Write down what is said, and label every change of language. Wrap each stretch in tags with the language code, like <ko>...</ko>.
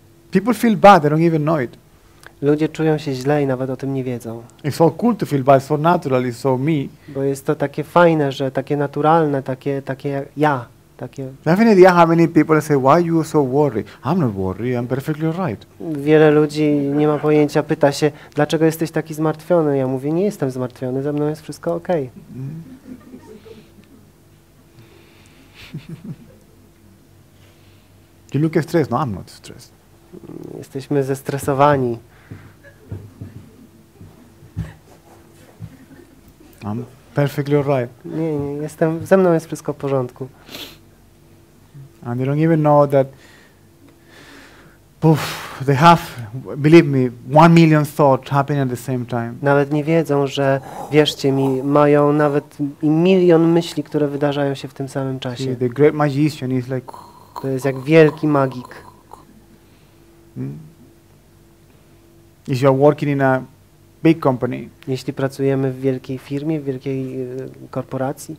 <en>People feel bad, they don't even know it.</en> <pl>Ludzie czują się źle i nawet o tym nie wiedzą.</pl> <en>It's so cool to feel bad, it's so natural, it's so me.</en> <pl>Bo jest to takie fajne, że takie naturalne, takie jak ja. Takie.</pl> <en>Definitely, how many people say, why you are so worried? I'm not worried, I'm perfectly right.</en> <pl>Wiele ludzi, nie ma pojęcia, pyta się, dlaczego jesteś taki zmartwiony? Ja mówię, nie jestem zmartwiony, ze mną jest wszystko okej.</pl> <en>Okay. You look at stress, no I'm not stressed.</en> <pl>Jesteśmy zestresowani.</pl> <en>I'm perfectly alright.</en> <pl>Nie, jestem, ze mną jest wszystko w porządku.</pl> <en>And they don't even know that poof, they have, believe me, 1 million thoughts happening at the same time.</en> <pl>Nawet nie wiedzą, że wierzcie mi, mają nawet i milion myśli, które wydarzają się w tym samym czasie.</pl> <en>See, the great magician is like</en> <pl>to jest jak wielki magik.</pl> <en>If you're working in a big company,</en> <pl>jeśli pracujemy w wielkiej firmie, w wielkiej korporacji,</pl>